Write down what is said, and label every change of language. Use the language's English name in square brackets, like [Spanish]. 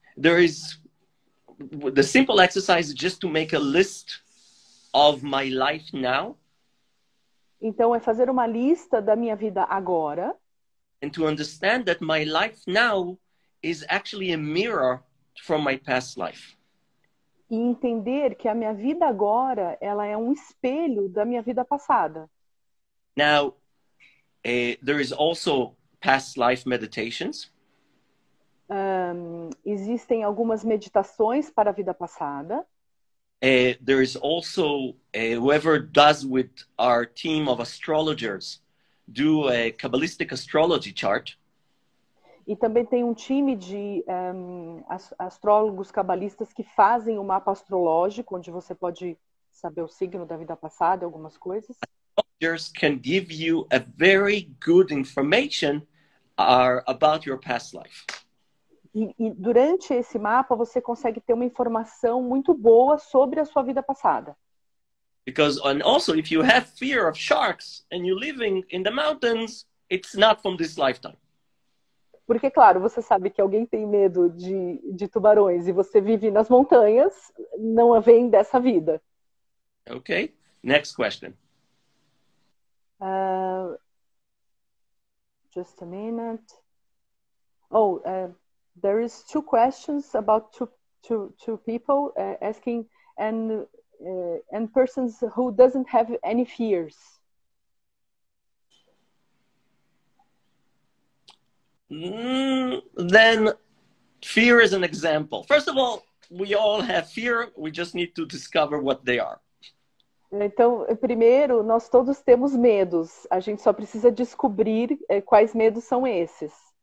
[English] There is the simple exercise is just to make a list of my life now. [Portuguese] Então, fazer uma lista da minha vida agora. [English] And to understand that my life now is actually a mirror from my past life. [Portuguese] E entender que a minha vida agora, ela é espelho da minha vida passada. [English] Now, there is also past life meditations. [Portuguese] Existem algumas meditações para a vida passada. [English] There is also, whoever does with our team of astrologers, do a Kabbalistic astrology chart. [Portuguese] E também tem time de astrólogos cabalistas que fazem o mapa astrológico, onde você pode saber o signo da vida passada e algumas coisas. [English] Astrologers can give you a very good information about your past life. [Portuguese] E durante esse mapa, você consegue ter uma informação muito boa sobre a sua vida passada. [English] Because and also if you have fear of sharks and you're living in the mountains, it's not from this lifetime. [Portuguese] Porque, claro, você sabe que alguém tem medo de tubarões e você vive nas montanhas, não vem dessa vida. [English] Ok, next question. Just a minute. Oh, there is two questions about two people asking and persons who doesn't have any fears. Then fear is an example. First of all, we all have fear. We just need to discover what they are. [Portuguese] Então, primeiro, nós todos temos medos. A gente só precisa descobrir quais medos são esses.